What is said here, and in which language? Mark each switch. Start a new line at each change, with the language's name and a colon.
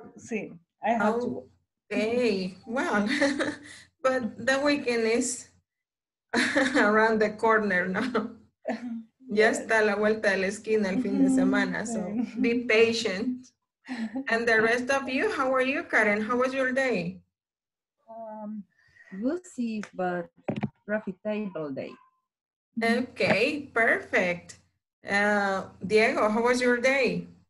English: Well, but the weekend is around the corner now.
Spanish: Ya está la vuelta de la esquina el fin de semana,
English: so be patient. And the rest of you, how are you, Karen? How was your day? Busy, but profitable day. Okay, perfect. Diego, how was your day?